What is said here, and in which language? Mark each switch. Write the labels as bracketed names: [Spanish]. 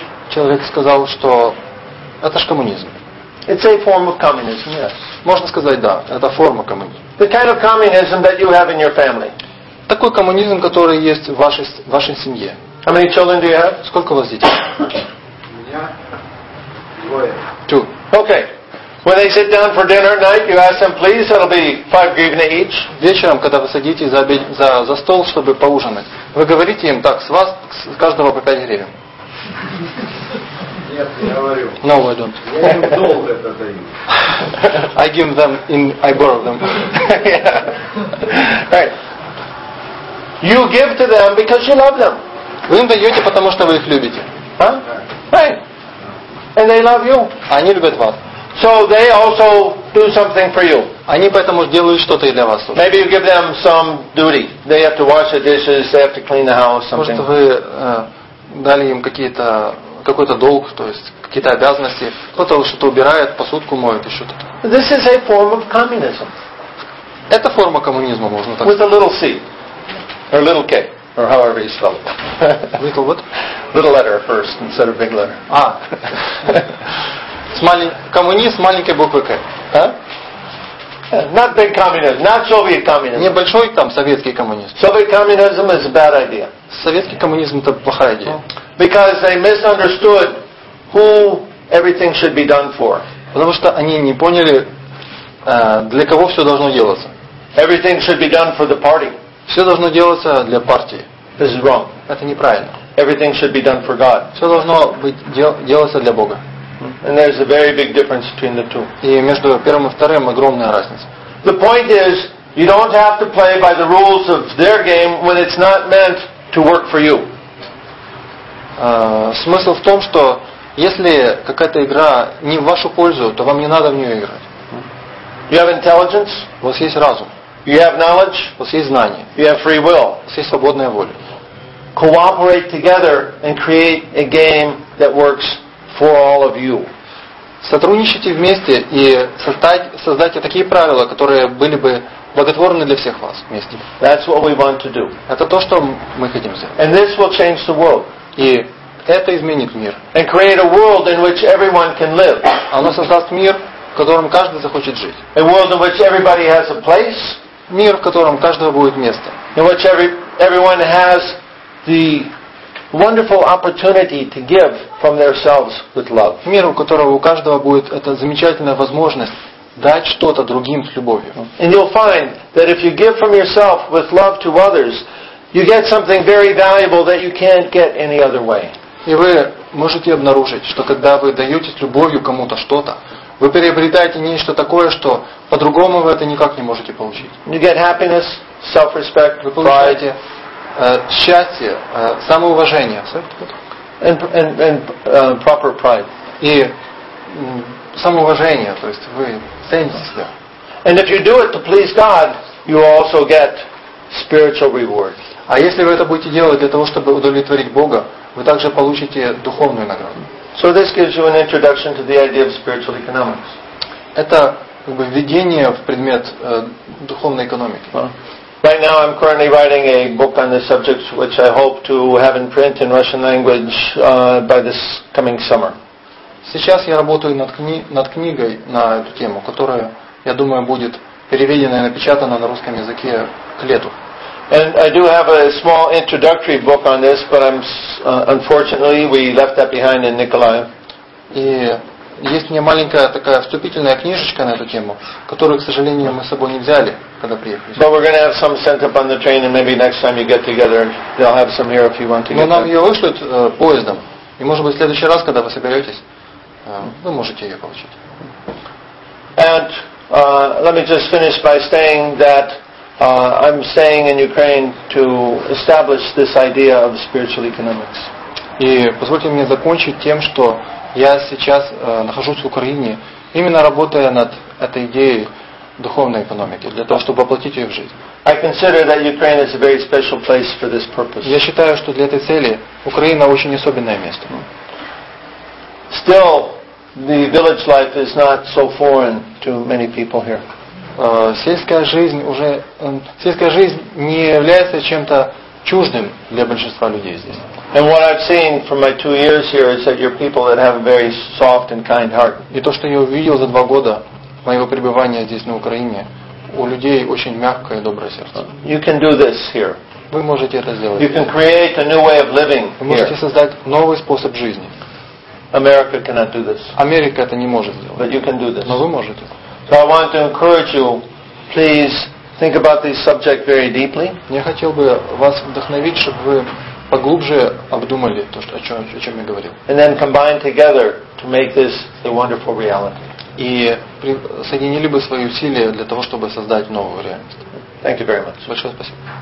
[Russian] Человек сказал, что это ж коммунизм. [English] It's a form of communism, yes. [Russian] Можно сказать, да, это форма коммунизма. [English] The kind of communism that you have in your family. [Russian] Такой коммунизм, который есть в вашей семье. [English] How many children do you have? [Russian] Сколько у вас детей? У меня двое. [English] Two. Okay. When they sit down for dinner at night, you ask them, please, it'll be 5 гривны each. [Russian] Вечером, когда вы садитесь за стол, чтобы поужинать, вы говорите им, так, с вас, с каждого по 5 гривен. Нет, я говорю. [English] No, I don't. [Russian] Я им долг это даю. [English] I give them, I borrow them. Yeah. Right. You give to them because you love them. [Russian] Вы им даете, потому что вы их любите. [English] Huh? Right. And they love you. [Russian] Они любят вас. [English] So they also do something for you. [Russian] Они поэтому делают что-то и для вас. [English] Maybe you give them some duty. They have to wash the dishes. They have to clean the house. Something. [Russian] Может, вы дали им какой-то долг, то есть какие-то обязанности. Кто-то что-то убирает, посудку моет, еще что-то. [English] This is a form of communism. [Russian] Это форма коммунизма, можно так. [English] With a little C or a little K or however you spell it. Little what? Little letter first instead of big letter. [Russian] А. Коммунизм маленькой буквы К. [English] Not big communism, not Soviet communism. [Russian] Небольшой там советский коммунизм. [English] Soviet communism is a bad idea. [Russian] Советский коммунизм это плохая идея. [English] Because they misunderstood who everything should be done for. [Russian] Потому что они не поняли, для кого все должно делаться. [English] Everything should be done for the party. [Russian] Все должно делаться для партии. [English] This is wrong. [Russian] Это неправильно. [English] everything should be done for God. [Russian] Все должно быть делаться для Бога. [English] And there's a very big difference between the two. [Russian] И между первым и вторым огромная разница. [English] The point is, you don't have to play by the rules of their game when it's not meant to work for you. [Russian] Смысл в том, что если какая-то игра не в вашу пользу, то вам не надо в нее играть. [English] You have intelligence. [Russian] У вас есть разум. [English] You have knowledge. [Russian] У вас есть знания. [English] You have free will. [Russian] У вас есть свободная воля. [English] Cooperate together and create a game that works for all of you. [Russian] Сотрудничайте вместе и создайте такие правила, которые были бы благотворны для всех вас вместе. [English] That's what we want to do. [Russian] Это то, что мы хотим сделать. [English] And this will change the world. [Russian] И это изменит мир. [English] And create a world in which everyone can live. [Russian] Оно создаст мир, в котором каждый захочет жить. [English] A world in which everybody has a place. [Russian] Мир, в котором каждого будет место. [English] In which everyone has the wonderful opportunity to give from themselves with love. [Russian] Мир, у которого у каждого будет эта замечательная возможность дать что-то другим с любовью. [English] And you'll find that if you give from yourself with love to others, you get something very valuable that you can't get any other way. [Russian] И вы можете обнаружить, что когда вы даете с любовью кому-то что-то, вы приобретаете нечто такое, что по-другому вы это никак не можете получить. [English] You get happiness, self-respect, [Russian] вы получаете счастье, самоуважение [English] and proper pride. [Russian] И самоуважение, то есть вы цените себя. [English] And if you do it to please God, you also get spiritual reward. [Russian] А если вы это будете делать для того, чтобы удовлетворить Бога, вы также получите духовную награду. [English] So this gives you an introduction to the idea of spiritual economics. [Russian] Это как бы введение в предмет духовной экономики. [English] Right now I'm currently writing a book on this subject, which I hope to have in print in Russian language by this coming summer. [Russian] Сейчас я работаю над книгой на эту тему, которая, я думаю, будет переведена и напечатана на русском языке к лету. [English] And I do have a small introductory book on this, but I'm unfortunately we left that behind in Nikolaev. [Russian] И есть у меня маленькая такая вступительная книжечка на эту тему, которую, к сожалению, мы с собой не взяли, когда приехали. [English] But we're going to have some sent up on the train, and maybe next time you get together, they'll have some here if you want to. [Russian] Но нам ее вышлют поездом, и, может быть, в следующий раз, когда вы соберетесь, вы можете ее получить. [English] And let me just finish by saying that I'm staying in Ukraine to establish this idea of spiritual economics. [Russian] И позвольте мне закончить тем, что я сейчас нахожусь в Украине, именно работая над этой идеей духовной экономики, для того, чтобы воплотить ее в жизнь. [English] I consider that Ukraine is a very special place for this purpose. [Russian] Я считаю, что для этой цели Украина очень особенное место. [English] Still, the village life is not so foreign to many people here. [Russian] Сельская жизнь не является чем-то чуждым для большинства людей здесь. [English] And what I've seen from my 2 years here is that your people that have a very soft and kind heart. [Russian] И то, что я увидел за 2 года моего пребывания здесь на Украине, у людей очень мягкое и доброе сердце. [English] You can do this here. [Russian] Вы можете это сделать. [English] You can create a new way of living here. [Russian] Вы можете создать новый способ жизни. [English] America cannot do this. [Russian] Америка это не может сделать. [English] But you can do this. [Russian] Но вы можете. [English] So I want to encourage you, please think about this subject very deeply. [Russian] Я хотел бы вас вдохновить, чтобы вы поглубже обдумали то, что, о чем я говорил. [English] And then combine together to make this a wonderful reality. [Russian] И соединили бы свои усилия для того, чтобы создать новую реальность. [English] Thank you very much. [Russian] Большое спасибо.